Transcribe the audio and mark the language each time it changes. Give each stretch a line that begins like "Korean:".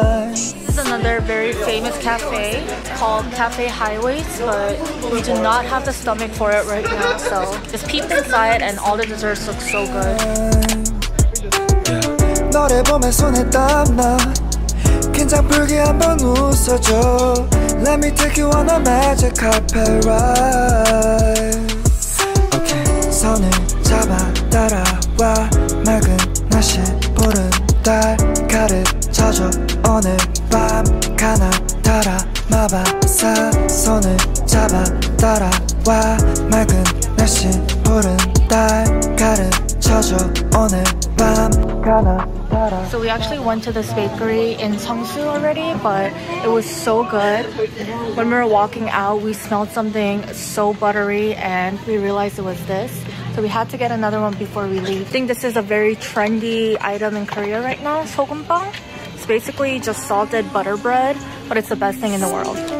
English: This is another very famous cafe called Cafe Highways, but we do not have the stomach for it right now. So just peep inside, and all the desserts look so good.
Korean: 너를 보면 손에 땀나 긴장 풀기 한번 웃어줘
English: Let me take you on a magic carpet ride
Korean: Okay, 손을 잡아 따라와 맑은 날씨 푸른 달 가르쳐줘 오늘 밤 가나 따라 마바사 손을 잡아 따라와 맑은 날씨 푸른 달 가르쳐줘 오늘 밤 가나
English: So we actually went to this bakery in Cheongsu already, but it was so good. When we were walking out, we smelled something so buttery and we realized it was this. So we had to get another one before we leave. I think this is a very trendy item in Korea right now, sogumbang. It's basically just salted butter bread, but it's the best thing in the world.